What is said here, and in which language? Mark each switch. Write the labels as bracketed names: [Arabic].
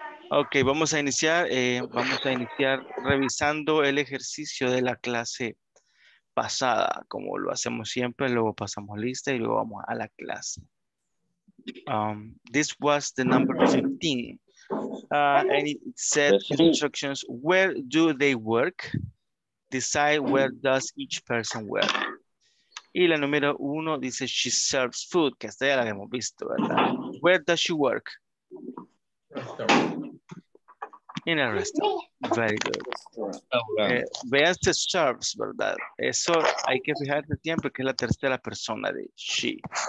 [Spanish] Ok, vamos a iniciar. Vamos a iniciar revisando el ejercicio de la clase pasada, como lo hacemos siempre, luego pasamos lista y luego vamos a la clase. [English] This was the number 15. And it said instructions, where do they work? Decide where does each person work. [Spanish] Y la número uno dice, [English] she serves food, [Spanish] que esta ya la hemos visto, ¿verdad? [English] Where does she work? In a restaurant. Very good. Veas the serves, ¿verdad? [Spanish] Eso hay que fijarse siempre que es la tercera persona de she.